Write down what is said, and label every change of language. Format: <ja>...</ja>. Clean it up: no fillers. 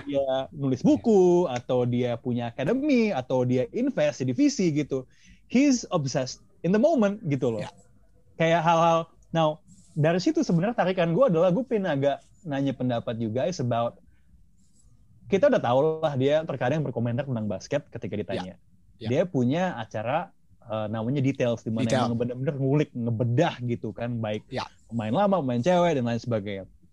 <id>dia nulis buku atau dia punya academy atau dia invest di divisi gitu.</id> <en>He's obsessed in the moment</en> <id>gitu loh. Kayak hal-hal. Now, dari situ sebenarnya tarikan gue adalah gue pengen agak nanya pendapat you guys about, kita udah tahu lah dia terkadang berkomentar tentang basket ketika ditanya.</id> <en>Yeah.</en> <id>dia punya acara namanya Details, di mana yang benar-benar ngulik, ngebedah gitu kan, baik pemain lama, pemain cewek, dan lain sebagainya.</id>